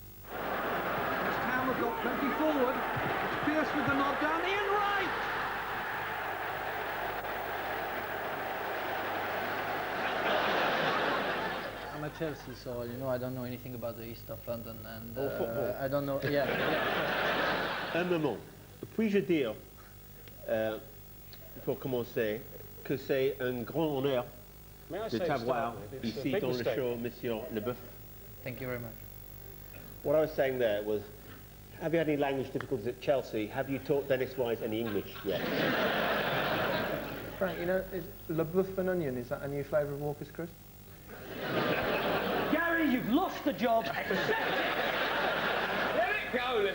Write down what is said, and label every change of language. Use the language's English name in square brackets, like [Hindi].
[English] West Ham have got plenty forward. It's Pierce with the knob down. Ian Wright! I'm a Chelsea, so, you know, I don't know anything about the East of London. And, or football. I don't know, yeah. [French] Un moment. Puis-je dire, pour commencer, que c'est un grand honneur de t'avoir ici dans le show, Monsieur Leboeuf. [English] Thank you very much. What I was saying there was, have you had any language difficulties at Chelsea? Have you taught Dennis Wise any English yet? Frank, you know, is Leboeuf and onion, is that a new flavour of Walker's Crisp? Gary, you've lost the job. Let it go,